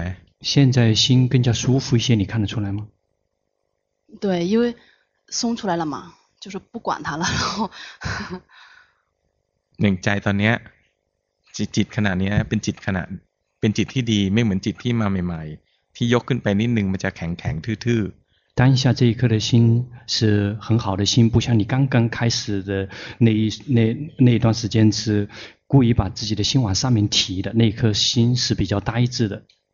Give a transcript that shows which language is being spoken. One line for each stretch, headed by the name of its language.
Chinese: 现在心更加舒服一些，你看得出来吗？对，因为松出来了嘛，就是不管它了，然后。
Thai: หนึ่งใจตอนนี้จิตขนาดนี้เป็นจิตที่ดีไม่เหมือนจิตที่มาใหม่ๆที่ยกขึ้นไปนิดนึงมันจะแข็งทื่อๆ
Chinese: 当下这一刻的心是很好的心，不像你刚刚开始的那一段时间是故意把自己的心往上面提的，那一颗心是比较呆滞的。